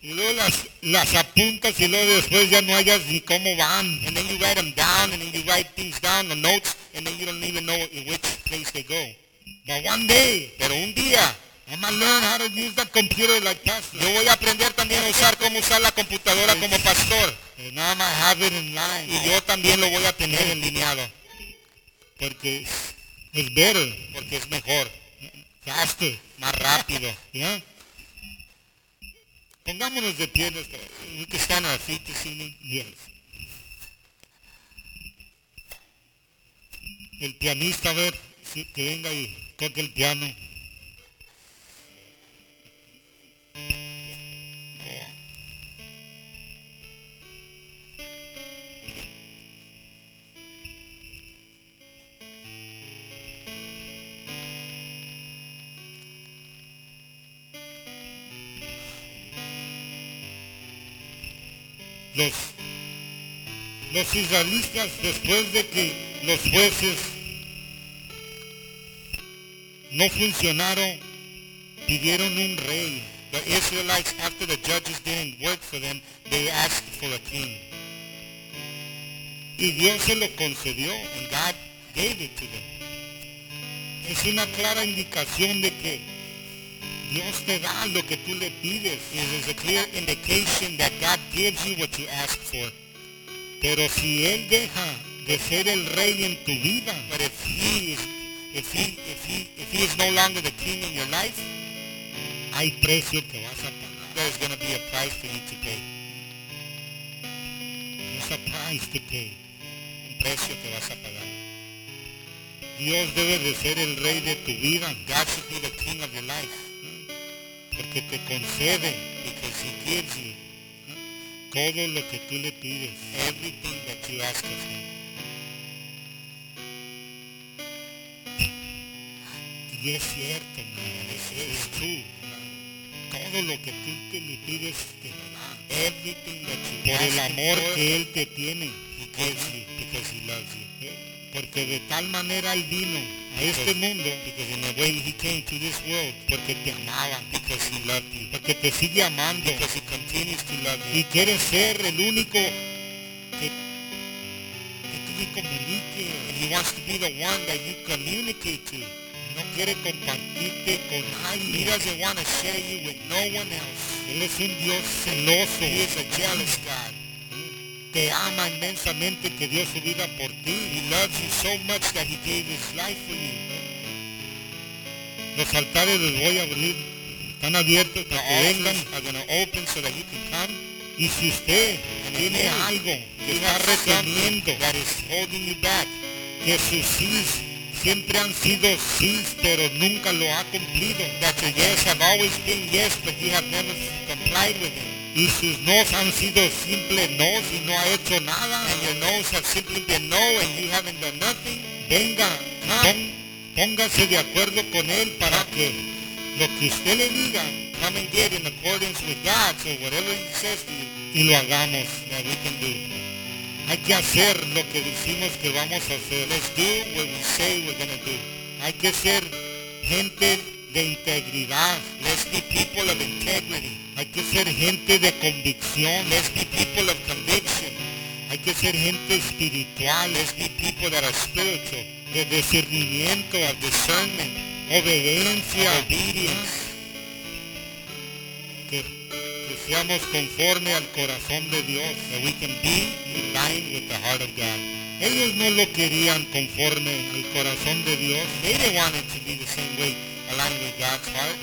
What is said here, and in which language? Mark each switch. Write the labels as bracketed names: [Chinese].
[Spanish] Y luego las apuntas y luego después ya no hayas ni cómo van. [English] And then you write them down and then you write things down, the notes, and then you don't even know in which place they go. But one day. [Spanish] Pero un día. [English] I'm gonna learn how to use that computer like pastor. [Spanish] Yo voy a aprender también a usar cómo usar la computadora como pastor. [English] And I'm gonna have it in line. [Spanish] Y yo también lo voy a tener en lineado. Porque es [English] better. [Spanish] Porque es mejor. [English] Faster. [Spanish] Más rápido. [English] Yeah. [Spanish] Pongámonos de pie nuestra. [English] We can stand on our feet this evening. Yes. [Spanish] El pianista, a ver, si, que venga y toque el piano. Los israelitas, después de que los jueces no funcionaron, pidieron un rey. [English] The Israelites, after the judges didn't work for them, they asked for a king. [Spanish] Y Dios se lo concedió. [English] And God gave it to them. [Spanish] Es una clara indicación de que Dios te da lo que tú le pides. [English] It is a clear indication that God gives you what you ask for. [Spanish] Pero si Él deja de ser el rey en tu vida, [English] but if he is no longer the king in your life, [Spanish] hay precio que vas a pagar. [English] There is going to be a price for you to pay. There's a price to pay. [Spanish] Un precio que vas a pagar. Dios debe de ser el rey de tu vida. [English] God should be the king of your life. [Spanish] Porque te concede, [English] because he gives you, [Spanish] todo lo que tú le pides, [English] everything that you ask of him. [Spanish] Y es cierto, man. [English] It's true, man. [Spanish] Todo lo que tú te le pides, te lo da. [English] Everything that you [Spanish] por [English] ask [Spanish] el amor [English] for, [Spanish] que él te tiene, [English] he gives you, because he loves you. [Spanish] Porque de tal manera él vino a este mundo, [English] because in the way he came to this world, [Spanish] porque te amaba, [English] because he loved you, [Spanish] porque te sigue amando, [English] because he continues to love you, [Spanish] y quiere ser el único que tú le comunique, [English] and he wants to be the one that you communicate to. [Spanish] No quiere compartirte con nadie. [English] He doesn't want to share you with no one else. [Spanish] Él es un Dios celoso. [English] He is a jealous God. [Spanish] Te ama inmensamente que dio su vida por ti. [English] He loves you so much that he gave his life for you. [Spanish] Los altares los voy a abrir. Están abiertos para que vengan. [English] Are going to open so that you can come. [Spanish] Y si usted [English] and [Spanish] tiene algo que está reteniendo, [English] that is holding you back, [Spanish] que sus sís siempre han sido sís, pero nunca lo ha cumplido. [English] That your yes have always been yes, but you have never complied with it. [Spanish] Y sus no's han sido simple no's y no ha hecho nada. [English] And your no's have simply been no and you haven't done nothing. [Spanish] Venga, póngase de acuerdo con él para que lo que usted le diga, [English] come and get in accordance with God, so whatever he says to you, [Spanish] y lo hagamos, [English] that we can do. [Spanish] Hay que hacer lo que decimos que vamos a hacer. [English] Let's do what we say we're going to do. [Spanish] Hay que ser gente de integridad. [English] Let's be people of integrity. [Spanish] Hay que ser gente de convicción. [English] Let's be people of conviction. [Spanish] Hay que ser gente espiritual. [English] Let's be people that are spiritual. [Spanish] De discernimiento, [English] of discernment. [Spanish] Obediencia. [English] Of obedience. [Spanish] Que seamos conforme al corazón de Dios. [English] That we can be in line with the heart of God. [Spanish] Ellos no lo querían conforme al corazón de Dios. [English] They didn't want it to be the same way, aligned with God's heart.